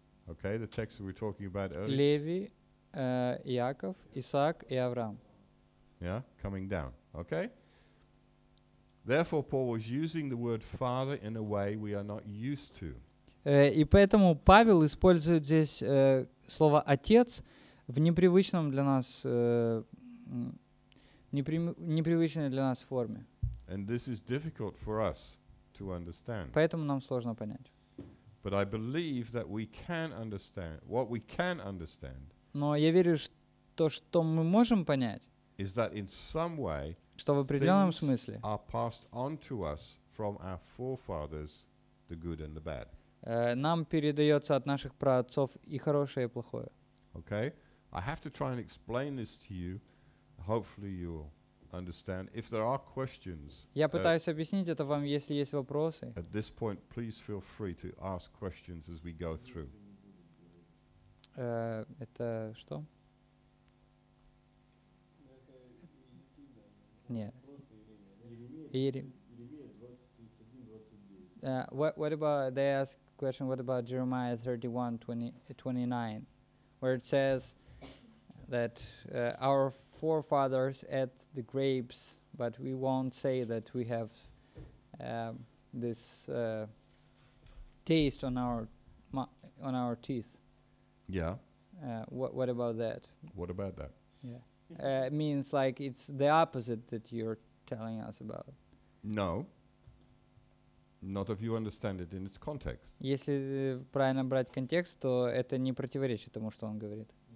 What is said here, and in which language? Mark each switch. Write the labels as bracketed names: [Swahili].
[English] Okay, the text we were talking about earlier. [Russian] Леви, Яков, Исаак и Авраам. [English] Yeah, coming down. Okay. Therefore, Paul was using the word father in a way we are not used to. [Russian] И поэтому Павел использует здесь слово отец в непривычном для нас непривычной для нас форме. [English] And this is difficult for us to understand. [Russian] Поэтому нам сложно понять. [English] But I believe that we can understand what we can understand. [Russian] Но я верю, что мы можем понять. [English] Is that in some way? [Russian] Что в определенном смысле. [English] Are passed on to us from our forefathers, the good and the bad. [Russian] Нам передается от наших праотцов и хорошее, и плохое. [English] Okay, I have to try and explain this to you. Hopefully you will. Understand. If there are questions, [Russian] я пытаюсь объяснить это вам, если есть вопросы. [English] At this point, please feel free to ask questions as we go through. [Russian] Это что? Нет. [English] What about they ask question? What about Jeremiah 31:29, where it says that our forefathers ate the grapes, but we won't say that we have this taste on our teeth. Yeah. What about that? What about that? Yeah. It means like it's the opposite that you're telling us about. No. Not if you understand it in its context. [Russian] Если правильно брать контекст, то это не противоречит тому, что он говорит.